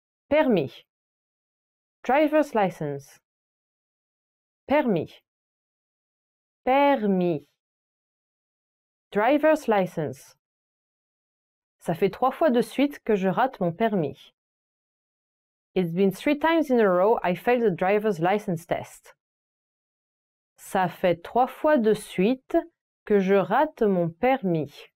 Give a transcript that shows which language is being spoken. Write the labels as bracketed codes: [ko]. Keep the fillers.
[fr] Permis. Driver's license permis. Permis. [en] Driver's license. [fr] Ça fait trois fois de suite que je rate mon permis. [en] It's been three times in a row I failed the driver's license test. [fr] Ça fait trois fois de suite que je rate mon permis.